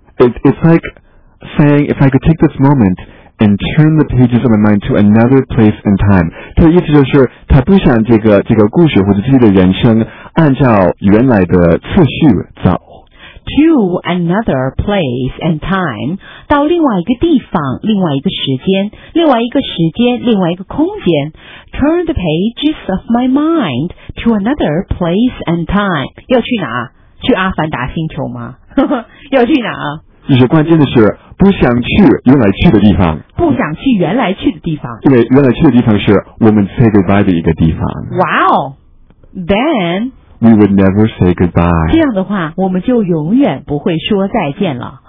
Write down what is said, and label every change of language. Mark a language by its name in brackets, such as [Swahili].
[English] It's like saying, if I could take this moment and turn the pages of my mind to another place and time. [Chinese] 他的意思就是他不想这个故事或者自己的人生按照原来的次序走。 [English] To another place and time, [Chinese] 到另外一个地方，另外一个时间，另外一个时间，另外一个空间。 [English] Turn the pages of my mind to another place and time. [Chinese] 要去哪？去阿凡达星球吗？要去哪？就是关键的是不想去原来去的地方，不想去原来去的地方，因为原来去的地方是我们 [English] say goodbye [Chinese] 的一个地方。哇哦， [English] then we would never say goodbye. [Chinese] 这样的话我们就永远不会说再见了。